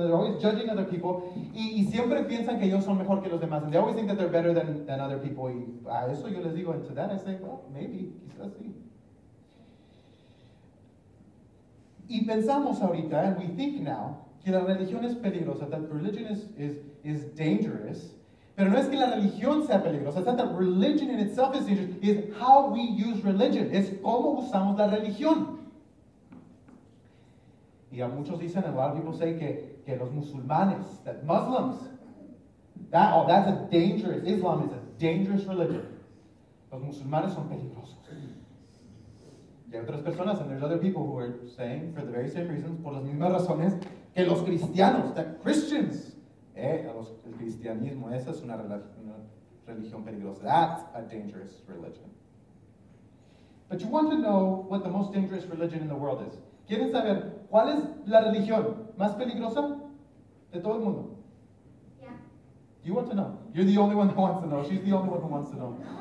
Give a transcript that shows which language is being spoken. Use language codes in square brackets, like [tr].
[en] They're always judging other people [es] y siempre piensan que ellos son mejor que los demás. [en] And they always think that they're better than other people. [es] Y a eso yo les digo, [en] and to that I say, well, maybe, [es] quizás sí. Y pensamos ahorita, [en] and we think now, [es] que la religión es peligrosa, [en] that religion is dangerous. [es] Pero no es que la religión sea peligrosa. [en] It's not that religion in itself is dangerous. It's how we use religion. [es] Es cómo usamos la religión. Y a muchos dicen, [en] a lot of people say [es] que los musulmanes, [en] that Muslims, that, oh, that's a dangerous, Islam is a dangerous religion. [es] Los musulmanes son peligrosos. Y hay otras personas, [en] and there's other people who are saying, for the very same reasons, [es] por las mismas razones, que los cristianos, [en] that Christians, [es] el cristianismo, esa es una religión peligrosa. [en] That's a dangerous religion. But you want to know what the most dangerous religion in the world is. [es] ¿Quieren saber cuál es la religión más peligrosa de todo el mundo? [en] Yeah. You want to know. You're the only one who wants to know. She's the only one who wants to know.